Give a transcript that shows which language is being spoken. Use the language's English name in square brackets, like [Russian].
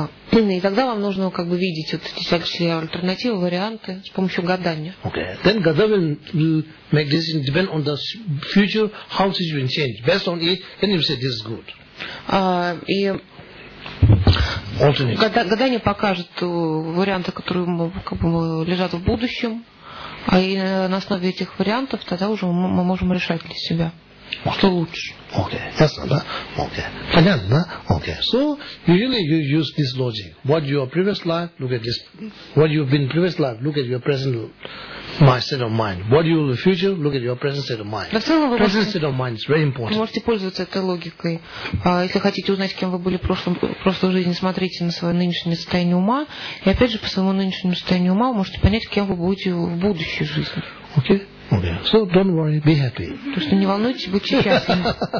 [Russian] И тогда вам нужно как бы видеть вот эти альтернативы, варианты с помощью гадания. [English] Okay. Then God will make decision depend on the future, how things will change. Based on it, then you say this is good. [Russian] Гадание покажет варианты, которые как бы лежат в будущем. А и на основе этих вариантов тогда уже мы можем решать для себя, [English] okay. [Russian] Что лучше. Окей, ясно, да? Окей. Понятно, да? Окей. [English] So, usually you use this logic. What your previous life, look at this. What you've been previous life, look at your present my state of mind. What you will be future, look at your present state of mind. Present state of mind is very important. [Russian] Вы можете пользоваться этой логикой. Если хотите узнать, кем вы были в прошлой жизни, смотрите на свое нынешнее состояние ума. И опять же, по своему нынешнему состоянию ума вы можете понять, кем вы будете в будущей жизни. [English] Окей? Okay. So don't worry, be happy. [Russian] То есть не волнуйтесь, будьте счастливы.